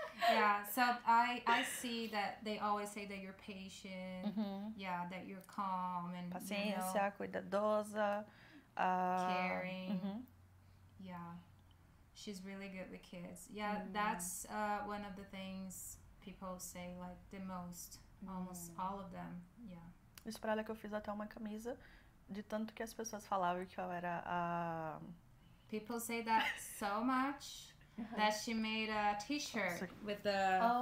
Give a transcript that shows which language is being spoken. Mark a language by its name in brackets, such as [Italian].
[English] Yeah, so I see that they always say that you're patient, yeah, that you're calm and [Portuguese] paciência, [English] you know, [Portuguese] cuidadosa, [English] caring. Yeah, she's really good with kids. Yeah, that's one of the things people say, like, the most, almost all of them. Yeah. [Portuguese] Isso pra ela que eu fiz até uma camisa, de tanto que as pessoas falavam que eu era a. [English] People say that so much. That she made a t-shirt with the